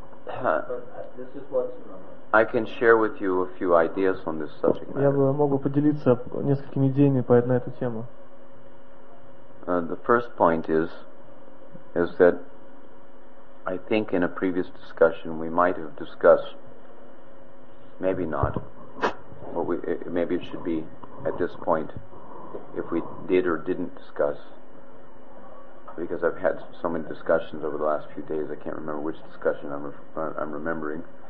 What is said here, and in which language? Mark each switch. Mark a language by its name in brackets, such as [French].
[English] I can share with you a few ideas on this subject. [Russian] Я бы могу поделиться несколькими идеями по на эту тему. [English] The first point is that I think in a previous discussion we might have discussed, maybe not, or maybe it should be at this point, if we did or didn't discuss, because I've had so many discussions over the last few days, I can't remember which discussion I'm remembering.